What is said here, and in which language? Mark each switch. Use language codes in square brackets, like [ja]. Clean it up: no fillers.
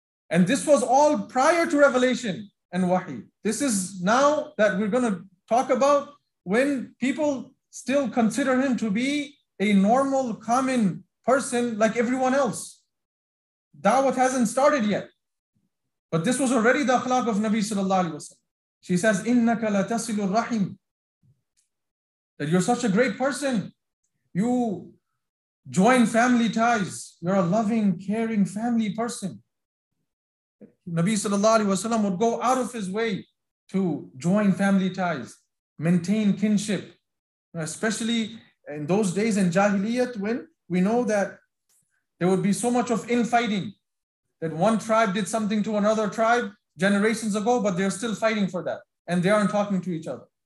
[en] And this was all prior to revelation and wahi. This is now that we're going to talk about when people still consider him to be a normal, common person like everyone else. Dawah hasn't started yet. But this was already the akhlaq of Nabi sallallahu alayhi wa sallam. She says, [ar] إِنَّكَ لَتَصِلُ الرَّحِيمُ. [en] That you're such a great person. You join family ties. You're a loving, caring family person. Nabi sallallahu alayhi wa sallam would go out of his way to join family ties, maintain kinship, especially in those days in Jahiliyyah when we know that there would be so much of infighting, that one tribe did something to another tribe generations ago, but they're still fighting for that and they aren't talking to each other.